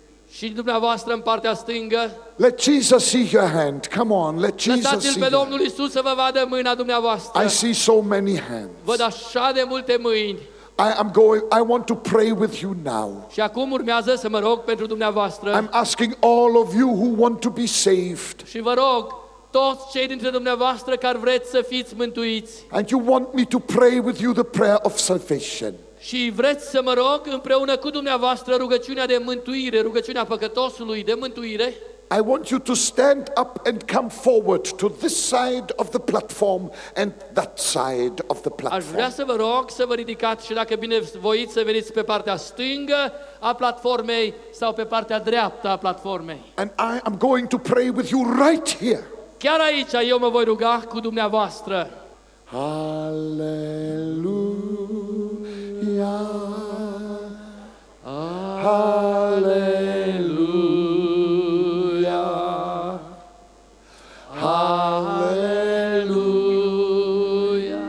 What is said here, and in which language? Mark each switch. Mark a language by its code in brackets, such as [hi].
[ro] Și dumneavoastră în partea stângă. [en] Let Jesus see your hand. Come on, let Jesus see. [ro] Lăsați-l pe Domnul Iisus să vă vadă mâna dumneavoastră. [en] I see so many hands. [ro] Văd așa de multe mâini. [en] I want to pray with you now. [ro] Și acum urmează să mă rog pentru dumneavoastră. [en] I'm asking all of you who want to be saved. [ro] Și vă rog, toți cei dintre dumneavoastră care vreți să fiți mântuiți. [en] And you want me to pray with you the prayer of salvation. [ro] Și vreți să mă rog împreună cu dumneavoastră rugăciunea de mântuire, rugăciunea păcătosului de mântuire. [en] I want you to stand up and come forward to this side of the platform and that side of the platform. [ro] Aș vrea să vă rog să vă ridicați și dacă binevoiți să veniți pe partea stângă a platformei sau pe partea dreaptă a platformei. [en] And I am going to pray with you right here. [ro] Chiar aici eu mă voi ruga cu dumneavoastră. Aleluia. Aleluia. Aleluia.